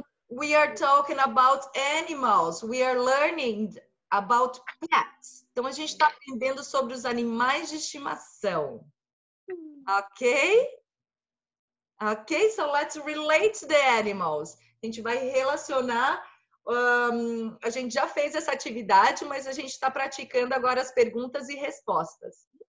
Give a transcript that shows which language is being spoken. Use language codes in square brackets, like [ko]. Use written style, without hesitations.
[en] We are talking about animals. We are learning about pets. [pt] Então a gente está aprendendo sobre os animais de estimação. Ok? [en] Ok, so let's relate the animals. [pt] A gente vai relacionar. A gente já fez essa atividade, mas a gente está praticando agora as perguntas e respostas.